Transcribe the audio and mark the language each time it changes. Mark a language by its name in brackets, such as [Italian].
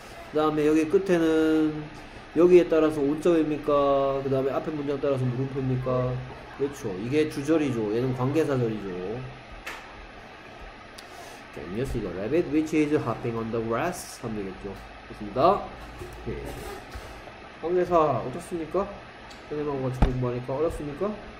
[Korean] 그 다음에 여기 끝에는 여기에 따라서 온점입니까? 그 다음에 앞에 문장 따라서 물음표입니까? 그렇죠. 이게 주절이죠. 얘는 관계사절이죠. [English] Can you see the rabbit which is hopping on the grass? [Korean] 하면 되겠죠. 좋습니다. 네. 관계사 어떻습니까? 선생님하고 같이 공부하니까 어렵습니까?